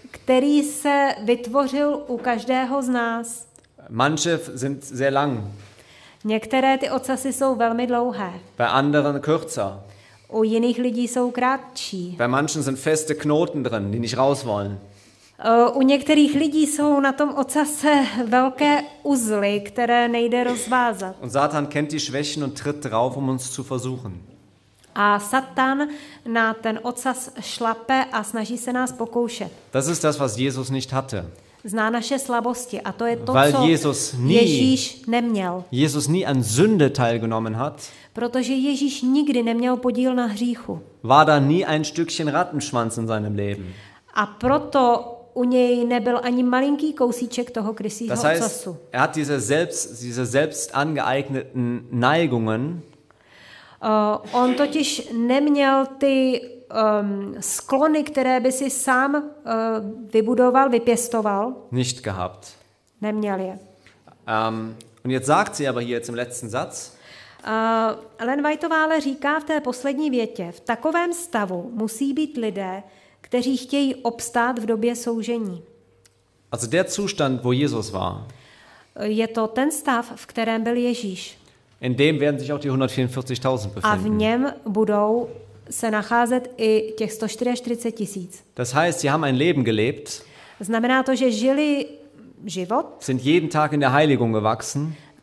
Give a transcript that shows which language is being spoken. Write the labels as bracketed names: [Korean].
[Czech] Který se vytvořil u každého z nás. [German] Manche sind sehr lang. [Czech] Některé ty ocasy jsou velmi dlouhé. [German] Bei anderen kürzer. [Czech] U jiných lidí jsou kratší. [German] Bei manchen sind feste Knoten drin, die nicht raus wollen. [Czech] U některých lidí jsou na tom ocase velké uzly, které nejde rozvázat. [German] Und Satan kennt die Schwächen und tritt drauf, um uns zu versuchen. [Czech] A Satan na ten ocas šlape a snaží se nás pokoušet. [German] Das ist das, was Jesus nicht hatte. [Czech] Zná naše slabosti a to je to, [German] weil [Czech] co [German] Jesus nie, [Czech] Ježíš neměl. [German] Jesus nie an Sünde teilgenommen hat. [Czech] Protože Ježíš nikdy neměl podíl na hříchu. [German] War da nie ein Stückchen Rattenschwanz in seinem Leben. [Czech] A proto u něj nebyl ani malinký kousíček toho krysího ocasu. [German] Das heißt, er hat diese selbst angeeigneten Neigungen. [Czech] On totiž neměl ty sklony, které by si sám vybudoval, vypěstoval. [German] Nicht gehabt. [Czech] Neměl je. [German] Und jetzt sagt sie aber hier jetzt im letzten Satz. [Czech] Ellen Whiteová ale říká v té poslední větě: V takovém stavu musí být lidé, kteří chtějí obstát v době soužení. [German] Also der Zustand, wo Jesus war. [Czech] Je to ten stav, v kterém byl Ježíš. [German] In dem werden sich auch die 144.000 befinden. [Czech] A v něm budou se nacházet i těch 144 tisíc. [German] Das heißt, sie haben ein Leben gelebt. [Czech] Znamená to, že žili život. [German] Sind jeden Tag in der Heiligung gewachsen.